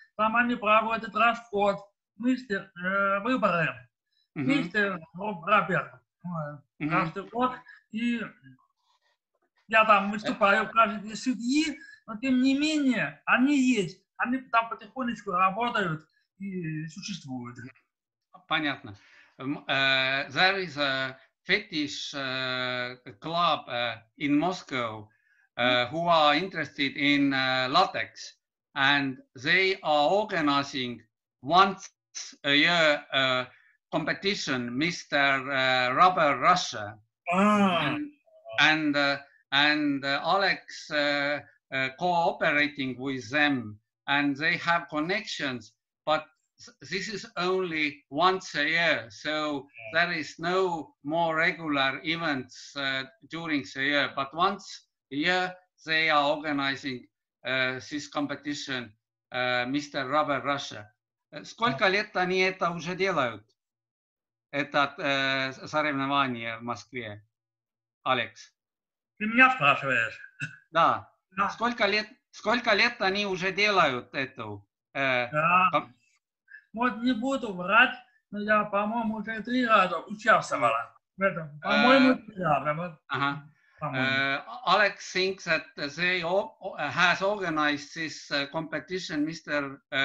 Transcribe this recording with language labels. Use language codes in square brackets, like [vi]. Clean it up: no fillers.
[ru] Там они проводят расход, мистер, выборы. Мистер Роберт. Каждый год. И я там выступаю в качестве судьи, но тем не менее они есть. Они там потихонечку работают и существуют. Понятно. [en] There is a fetish club in Moscow who are interested in latex, and they are organizing once a year a competition, Mr. Rubber Russia. And Alex cooperating with them, and they have connections, but this is only once a year, so there is no more regular events during the year. But once a year, they are organizing this competition, Mr. Rubber Russia. [ru] Сколько лет они это уже делают, это соревнование в Москве, Алекс? Ты меня спрашиваешь? Да. Сколько лет они уже делают эту? Вот не буду врать, но я, по-моему, уже три раза участвовала в этом. По-моему, три раза. [en] Alex thinks that they has organized this competition, Mr.